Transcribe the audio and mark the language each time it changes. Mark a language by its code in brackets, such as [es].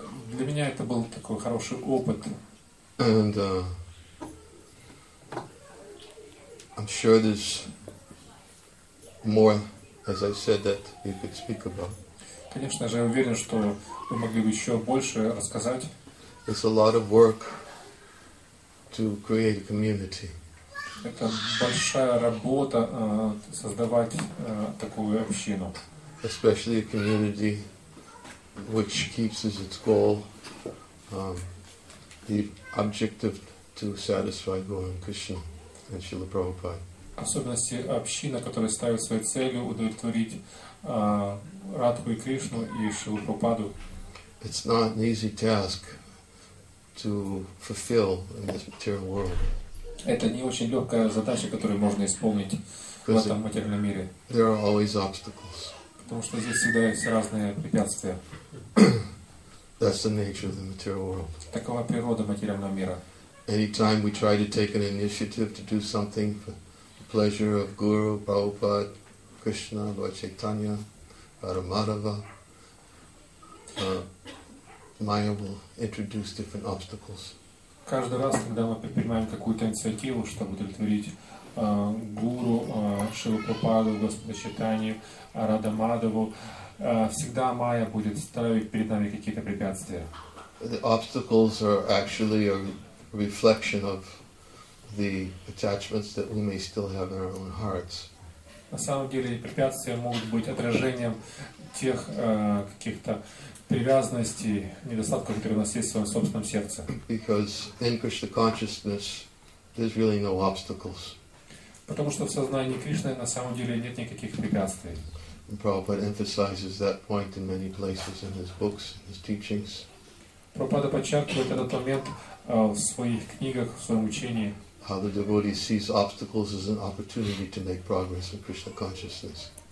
[ru] Для меня это был такой хороший опыт. [en] And I'm sure there's more, as I said, that you could speak about. [ru] Конечно же, я уверен, что вы могли бы еще больше рассказать. [en] It's a lot of work to create a community. [ru] Это большая работа создавать такую общину. [en] Especially a community which keeps as its goal the objective to satisfy Guru and Krishna and Srila Prabhupada. [ru] Особенности община, которая ставит своей целью удовлетворить Радху и Кришну и Шилу Прабхупаду. [en] It's not an easy task to fulfill in this material world. [ru] Это не очень легкая задача, которую можно исполнить в этом материальном мире. [en] There are always obstacles. [ru] Потому что здесь всегда есть разные препятствия. [en] That's the nature of the material world. [ru] Такова природа материального мира. [en] Anytime we try to take an initiative to do something for pleasure of Guru, Prabhupada, Krishna, Lord Chaitanya, Radha Madhava, Maya will introduce different obstacles. [ru] Каждый раз, когда мы предпринимаем какую-то инициативу, чтобы удовлетворить Гуру, Шилу Прабхупаду, Господа Чайтанью, Радха Мадхаву, всегда Майя будет ставить перед нами какие-то препятствия. [en] The obstacles are actually a reflection of the attachments that we may still have in our own hearts. [ru] На самом деле препятствия могут быть отражением тех каких-то привязанностей, недостатков, которые у нас есть в своем собственном сердце. [en] Because in Krishna consciousness there's really no obstacles. [ru] Потому что в сознании Кришны на самом деле нет никаких препятствий. [en] And Prabhupada emphasizes that point in many places in his books, in his teachings. [ru] Prabhupada подчеркивает этот момент в своих книгах, в своем учении. [en] How the devotee sees obstacles as an opportunity to make progress in Krishna consciousness.